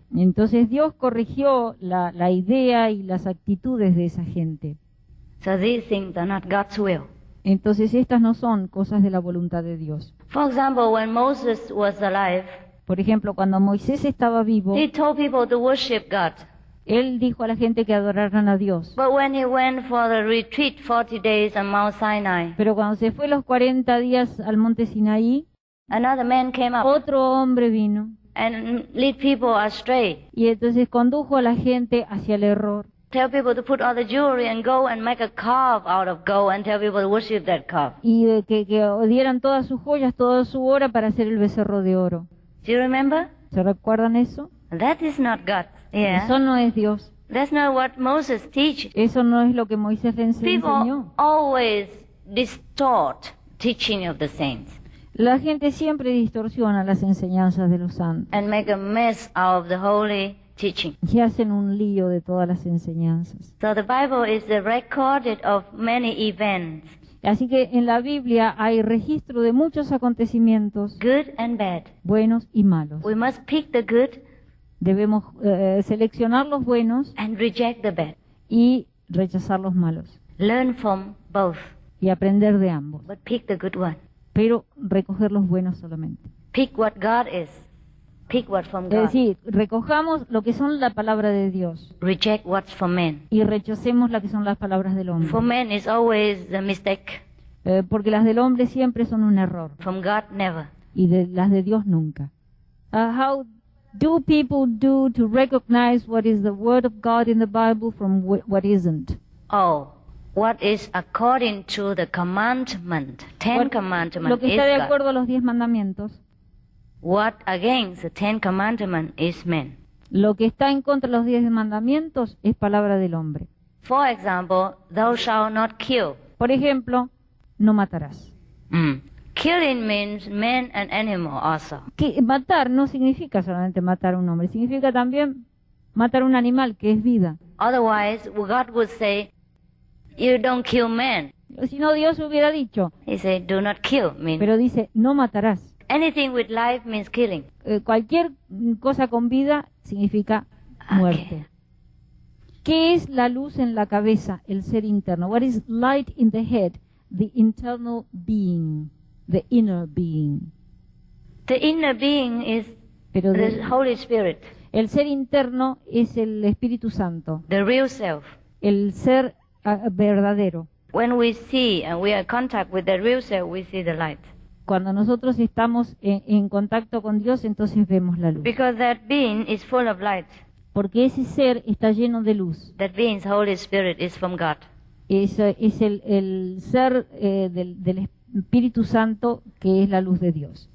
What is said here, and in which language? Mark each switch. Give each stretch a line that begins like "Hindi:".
Spanish: Entonces Dios corrigió la idea y las actitudes de esa gente.
English: So these things are not God's will.
Spanish: Entonces estas no son cosas de la voluntad de Dios.
English: For example, when Moses was alive,
Spanish: por ejemplo, cuando Moisés estaba vivo,
English: he told people to worship God.
Spanish: Él dijo a la gente que adoraran a Dios.
English: But when he went for the retreat 40 days on Mount Sinai,
Spanish: pero cuando se fue los 40 días al Monte Sinaí,
English: another man came up.
Spanish: Otro hombre vino.
English: And lead people astray.
Spanish: Y entonces condujo a la gente hacia el error.
English: Tell people to put all the jewelry and go and make a calf out of gold and tell people to worship that calf.
Spanish: Y que dieran todas sus joyas, toda su oro para hacer el becerro de oro.
English: Do you remember?
Spanish: ¿Se recuerdan eso?
English: That is not God. Yeah.
Spanish: Eso no es Dios.
English: That's not what Moses teaches.
Spanish: Eso no es lo que Moisés enseñó.
English: People always distort teaching of the saints.
Spanish: La gente siempre distorsiona las enseñanzas de los santos.
English: And make a mess out of the holy teaching.
Spanish: Y hacen un lío de todas las enseñanzas.
English: So the Bible is the recorded of many events.
Spanish: Así que en la Biblia hay registro de muchos acontecimientos.
English: Good and bad.
Spanish: Buenos y malos.
English: We must pick the good.
Spanish: Debemos seleccionar los buenos.
English: And reject the bad.
Spanish: Y rechazar los malos.
English: Learn from both.
Spanish: Y aprender de ambos.
English: But pick the good one.
Spanish: Pero recoger los buenos solamente.
English: Pick what God is. Pick what from God.
Spanish: Es decir, recojamos lo que son la palabra de Dios.
English: Reject what's for men.
Spanish: Y rechacemos lo que son las palabras del hombre.
English: For men is always a mistake.
Spanish: Porque las del hombre siempre son un error.
English: From God, never.
Spanish: Y de las de Dios nunca.
English: How do people do to recognize what is the word of God in the Bible from what isn't? Oh. What is according to the commandment, ten commandments is God.
Spanish: Lo que está de acuerdo a los diez mandamientos.
English: What against the ten commandments is man.
Spanish: Lo que está en contra de los diez mandamientos es palabra del hombre.
English: For example, thou shalt not kill.
Spanish: Por ejemplo, no matarás.
English: Mm. Killing means man and animal also.
Spanish: Que matar no significa solamente matar a un hombre, significa también matar a un animal que es vida.
English: Otherwise, God would say, you don't kill men.
Spanish: Si no, Dios hubiera dicho.
English: He said, do not kill men.
Spanish: Pero dice, no matarás.
English: Anything with life means killing.
Spanish: Cualquier cosa con vida significa muerte.
English: Okay.
Spanish: ¿Qué es la luz en la cabeza, el ser interno?
English: What is light in the head, the internal being, the inner being? The inner being is the Holy Spirit.
Spanish: El ser interno es el Espíritu Santo.
English: The real self.
Spanish: El ser verdadero.
English: When we see and we are in contact with the real self, we see the light.
Spanish: Cuando nosotros estamos en contacto con Dios, entonces vemos la luz.
English: Because that being is full of light.
Spanish: Porque ese ser está lleno de luz.
English: That means Holy Spirit is from God.
Spanish: Es el ser del Espíritu Santo, que es la luz de Dios.